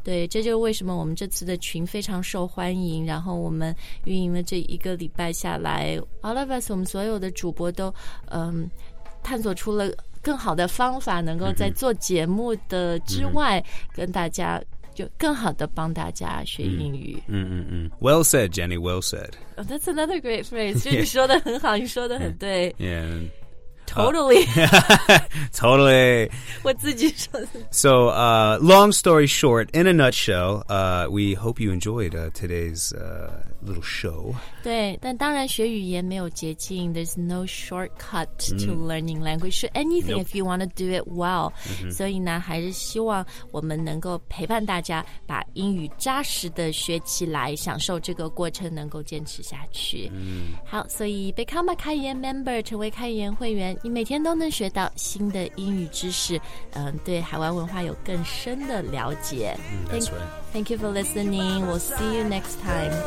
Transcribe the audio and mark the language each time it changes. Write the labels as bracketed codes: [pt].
[zh] 对这就是为什么我们这次的群非常受欢迎然后我们运营了这一个礼拜下来 [en] All of us [zh] 我们所有的主播都探索出了更好的方法能够在做节目的之外、mm-hmm. 跟大家就更好的帮大家学英语、 mm-hmm. [en] Well said, Jenny, well said、 oh, That's another great phrase [zh] 就你说的很好、 [en] yeah. [zh] 你说的很对 [en] yeah. Totally Totally [zh] 我自己说的 [en] So, long story short, in a nutshell we hope you enjoyed today'slittle show [zh] 对但当然学语言没有捷径 [en] There's no shortcut to learning language or anything、nope. if you want to do it well、mm-hmm. [zh] 所以呢还是希望我们能够陪伴大家把英语扎实的学起来享受这个过程能够坚持下去、mm. 好所以 [en] become a [zh] 开言 member 成为开言会员你每天都能学到新的英语知识、嗯、对海外文化有更深的了解、 [en] mm, That's right Thank you for listening. We'll see you next time.